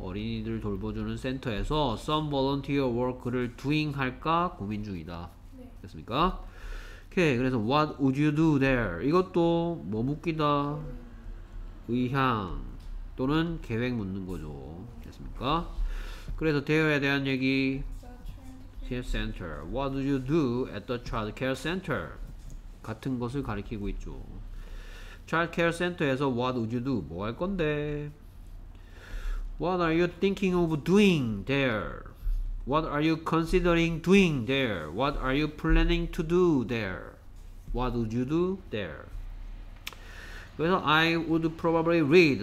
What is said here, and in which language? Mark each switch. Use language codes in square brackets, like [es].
[ko] 어린이들을 돌보주는 센터에서 some volunteer work 를 doing 할까 고민 중이다. 됐습니까? 오케이. [en] 그래서 what would you do there? 이것도 뭐 묻기다. [ko] 의향 또는 계획 묻는 거죠. 됐습니까? 그래서 대여에 대한 얘기. [en] care center. what do you do at the child care center? [ko] 같은 것을 가리키고 있죠. [en] child care center에서 what would you do? 뭐할 건데? what are you thinking of doing there? what are you considering doing there? what are you planning to do there? what would you do there? 그래서 I would probably read.